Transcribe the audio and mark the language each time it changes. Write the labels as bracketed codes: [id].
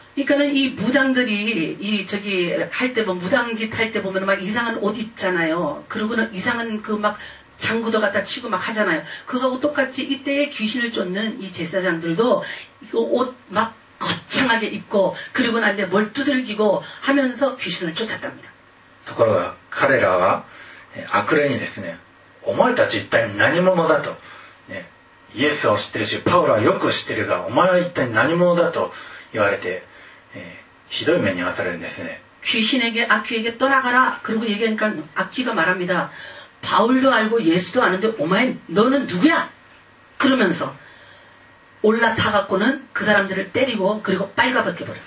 [ko] 그러니까는 이 무당들이 이 저기 할 때 보면 무당짓 할 때 보면 막 이상한 옷 있잖아요. 그러고는 이상한 그 막 장구도 갖다 치고 막 하잖아요. 그거하고 똑같이 이때에 귀신을 쫓는 이 제사장들도 이거 옷 막 거창하게 입고 그리고 나한테 뭘 두들기고 하면서 귀신을 쫓았답니다. [ja] 그러나 그들은 악령이ですね, お前たち一体何者だと, 예수を知ってるし, 바울はよく知ってるが, お前は一体何者だと言われて, 非常に目に遭わされるんですね. [ko] 귀신에게 악귀에게 떠나가라. 그리고 얘기하니까 악귀가 말합니다. 바울도 알고 예수도 아는데, 오마이, 너는 누구야? 그러면서. 올라타갖고는 그 사람들을 때리고 그리고 빨가벗게